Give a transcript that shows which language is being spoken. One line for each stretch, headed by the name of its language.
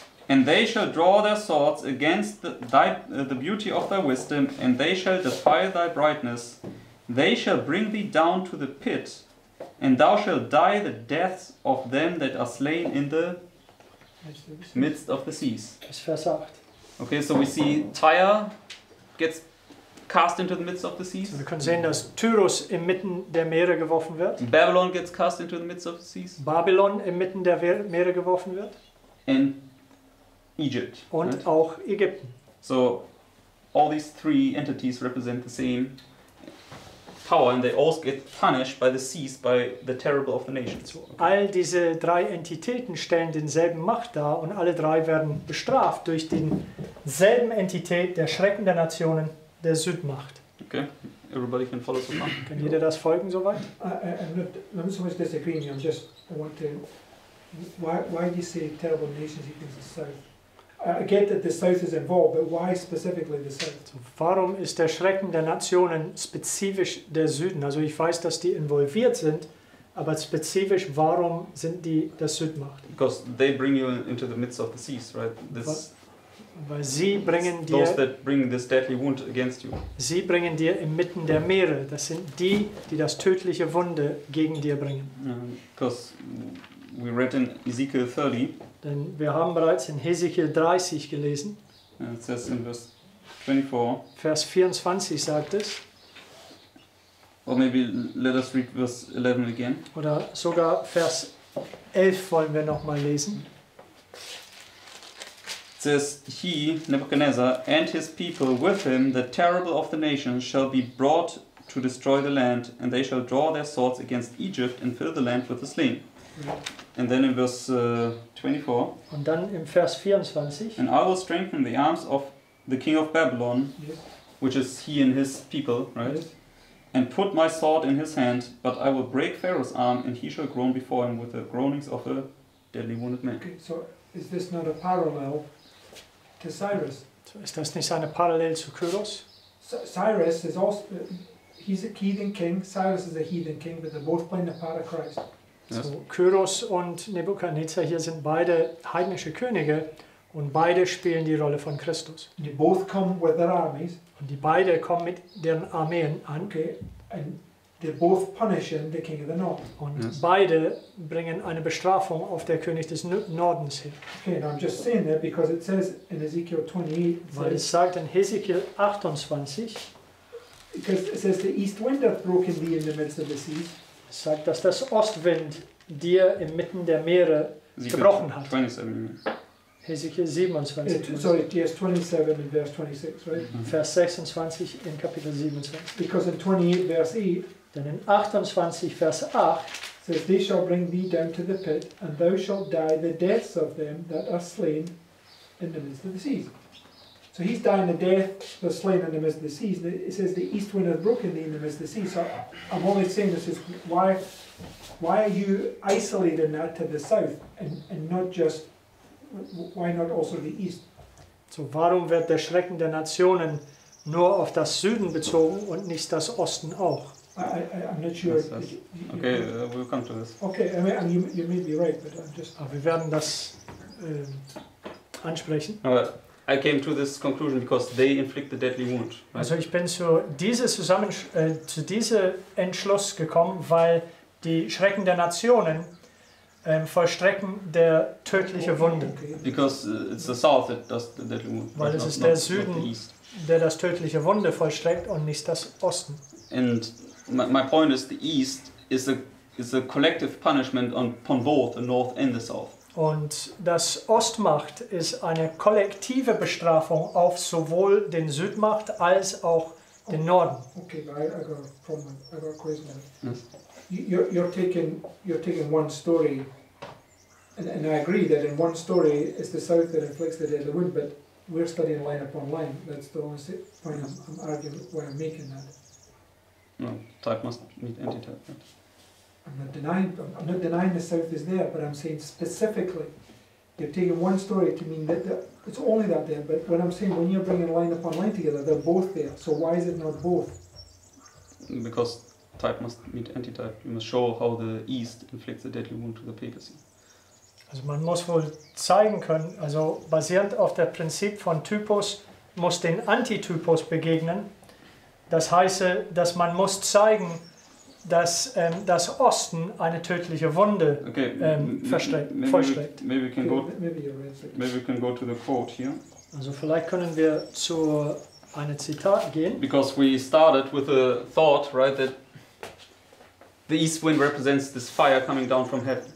English: and they shall draw their swords against the beauty of thy wisdom, and they shall defile thy brightness. They shall bring thee down to the pit, and thou shalt die the deaths of them that are slain in the midst of the seas.
German: Vers 8.
English: Okay, so we see Tyre gets cast into the midst of the seas.
German: So wir können sehen, dass Tyrus inmitten der Meere geworfen wird.
English: Babylon gets cast into the midst of the seas.
German: Babylon inmitten der Meere geworfen wird.
English: And Egypt.
German: Und
English: right?
German: auch Ägypten.
English: So all these three entities represent the same power, and they all get punished by the seas, by the terrible of the nations. Okay.
German: All diese drei Entitäten stellen denselben Macht dar, und alle drei werden bestraft durch denselben Entität der Schrecken der Nationen, der Südmacht.
English: Okay, everybody can follow so far.
German: Kann jeder das folgen soweit?
English: I'm not so much disagreeing, I'm just wanting, why do you say terrible nations against the south? I get that the south is involved, but why specifically the south?
German: So, warum ist der Schrecken der Nationen spezifisch der Süden? Also ich weiß, dass die involviert sind, aber spezifisch, warum sind die der Südmacht?
English: Because they bring you into the midst of the seas, right?
German: Weil sie bringen dir,
English: those that bring this deadly wound against you.
German: Sie bringen dir inmitten der Meere. Das sind die, die das tödliche Wunde gegen dir bringen.
English: Because we read in Ezekiel 30.
German: Denn wir haben bereits in Hesekiel 30 gelesen.
English: It says in verse 24.
German: Vers 24 sagt es.
English: Or maybe let us read verse 11 again.
German: Oder sogar Vers 11 wollen wir noch mal lesen.
English: It says, he, Nebuchadnezzar, and his people with him, the terrible of the nations, shall be brought to destroy the land, and they shall draw their swords against Egypt and fill the land with the slain. And then in verse 24.
German: Und dann im Vers 24.
English: And I will strengthen the arms of the king of Babylon, yes, which is he and his people, right? Yes. And put my sword in his hand, but I will break Pharaoh's arm, and he shall groan before him with the groanings of a deadly wounded man. Okay, so is this not a parallel to Cyrus?
German: So ist das nicht eine Parallel zu Kyros?
English: Cyrus is also, he's a heathen king. Cyrus is a heathen king, but they're both playing the part of Christ.
German: So, Kyros und Nebuchadnezzar hier sind beide heidnische Könige und beide spielen die Rolle von Christus.
English: And they both come with their armies.
German: Und die beide kommen mit deren Armeen an.
English: Okay. And they both punish the king of the north.
German: Und beide bringen eine Bestrafung auf der König des Nordens her.
English: Okay, and I'm just saying that because it says in Ezekiel 28.
German: Weil es sagt in Hesekiel 28.
English: Because it says the east wind hath broken thee in the midst of the seas.
German: Sagt, dass das Ostwind dir inmitten der Meere gebrochen hat. Hesekiel 27.
English: Yeah,
German: sorry, Vers 27 in Vers
English: 26, right? Mm-hmm.
German: Vers 26 in Kapitel 27.
English: Because in 28
German: Vers
English: 8.
German: Denn in 28 Vers 8.
English: Says, they shall bring thee down to the pit, and thou shalt die the deaths of them that are slain in the midst of the seas. So he's dying the death that's slain in the midst of the seas. It says the east wind has broken thee in the midst of the seas. So I'm only saying this is why are you isolating that to the south and not just, why not also the east?
German: So warum wird der Schrecken der Nationen nur auf das Süden bezogen und nicht das Osten auch?
English: I'm not sure. Okay, we'll come to this. Okay, you may be right, but I'm just...
German: Aber wir werden das ansprechen. Aber
English: I came to this conclusion because they inflict the deadly wound. Right?
German: Also ich bin zu diesem Entschluss gekommen, weil die Schrecken der Nationen vollstrecken der tödliche Wunde.
English: Because it's the south that does the deadly wound.
German: Weil es ist der Süden, der das tödliche Wunde vollstreckt und nicht das Osten.
English: And my point is the east is a collective punishment on both the north and the south.
German: Und das Ostmacht ist eine kollektive Bestrafung auf sowohl den Südmacht als auch den Norden.
English: Okay, but I got a problem. I got a question. Yes. You're taking one story, and I agree that in one story it's the south that inflicts the deadly wound. But we're studying line upon line. That's the only point I'm arguing why I'm making that. No, type must meet anti-type. Right? I'm not denying the south is there, but I'm saying specifically, you're taking one story to mean that it's only that there, but what I'm saying, when you're bringing line upon line together, they're both there, so why is it not both? Because type must meet antitype. You must show how the east inflicts a deadly wound to the papacy.
German: Also man muss wohl zeigen können, also basierend auf dem Prinzip von Typus, muss den Antitypus begegnen. Das heißt, dass man muss zeigen, dass das Osten eine tödliche Wunde vollstreckt.
English: Maybe we can go to the quote here.
German: Also vielleicht können wir zu einem Zitat gehen.
English: Because we started with a thought, right, that the east wind represents this fire coming down from heaven.